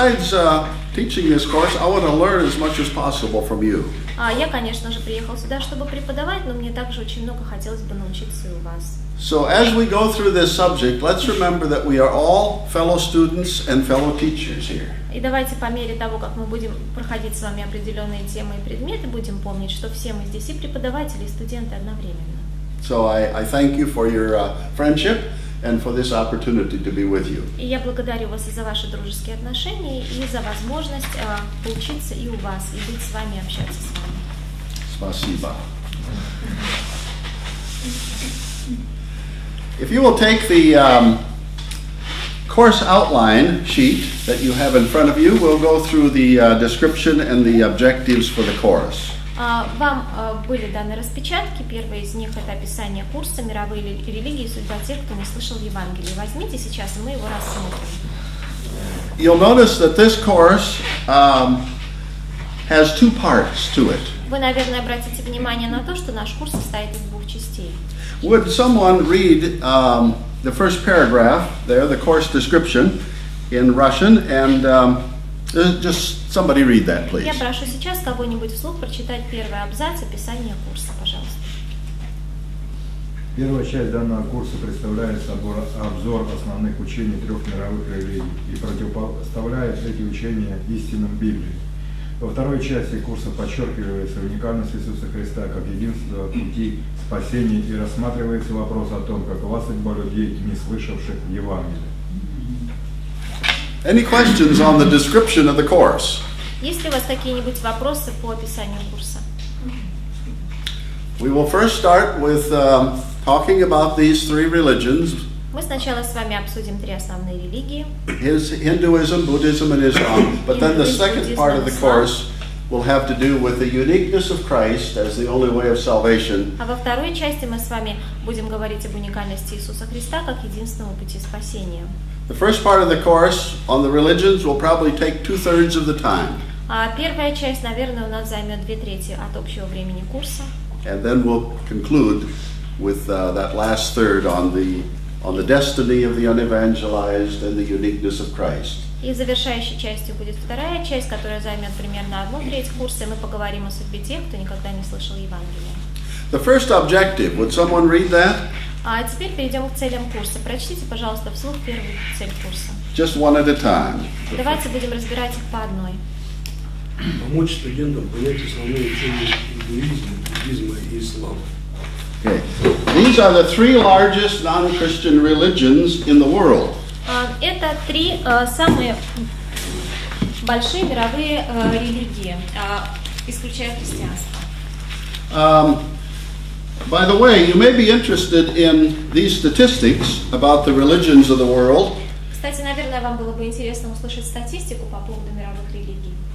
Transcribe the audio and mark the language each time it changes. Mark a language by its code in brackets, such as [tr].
[en] Besides teaching this course, I want to learn as much as possible from you. [ru] Я, конечно же, приехал сюда, чтобы преподавать, но мне также очень много хотелось бы научиться у вас. [en] So as we go through this subject, let's remember that we are all fellow students and fellow teachers here. [ru] И давайте по мере того, как мы будем проходить с вами определенные темы и предметы, будем помнить, что все мы здесь и преподаватели, и студенты одновременно. [en] So I thank you for your friendship. And for this opportunity to be with you. [ru] И я благодарю вас за ваши дружеские отношения и за возможность учиться и у вас, и быть с вами, общаться с вами. Спасибо. [en] If you will take the course outline sheet that you have in front of you, we'll go through the description and the objectives for the course. [ru] Вам были даны распечатки. Первое из них — это описание курса «Мировые религии и судьба тех, кто не слышал Евангелие». Возьмите сейчас, и мы его рассмотрим. [en] You'll notice that this course has two parts to it. [ru] Вы, наверное, обратите внимание на то, что наш курс состоит из двух частей. [en] Would someone read the first paragraph there, the course description in Russian, and just somebody read that, please. [ru] Я прошу сейчас кого-нибудь вслух прочитать первый абзац описания курса, пожалуйста. Первая часть данного курса представляет собой обзор основных учений трех мировых религий и противопоставляет эти учения истинам Библии. Во второй части курса подчеркивается уникальность Иисуса Христа как единственного пути спасения и рассматривается вопрос о том, какова судьба людей, не слышавших Евангелия. [en] Any questions on the description of the course? [ru] Есть ли у вас какие-нибудь вопросы по описанию курса? [en] We will first start with talking about these three religions. [ru] Мы сначала с вами обсудим три основные религии. [en] Hinduism, Buddhism, and Islam. But then the second part of the course will have to do with the uniqueness of Christ as the only way of salvation. [ru] А во второй части мы с вами будем говорить об уникальности Иисуса Христа как единственного пути спасения. [en] The first part of the course on the religions will probably take 2/3 of the time. [ru] Первая часть, наверное, у нас займет 2/3 от общего времени курса. [en] And then we'll conclude with that last third on the destiny of the unevangelized and the uniqueness of Christ. [ru] И завершающей частью будет вторая часть, которая займет примерно 1/3 курса, и мы поговорим о судьбе тех, кто никогда не слышал Евангелия. [en] The first objective. Would someone read that? [ru] А теперь перейдем к целям курса. Прочтите, пожалуйста, вслух первую цель курса. [en] Just one at a time. [ru] Давайте будем разбирать их по одной. Помочь студентам понять основные учения индуизма, буддизма и ислама. [en] Okay. These are the three largest non-Christian religions in the world. [ru] Это три самые большие мировые религии, исключая христианство. [en] By the way, you may be interested in these statistics about the religions of the world. [ru] Кстати, наверное, вам было бы интересно услышать статистику по поводу мировых религий.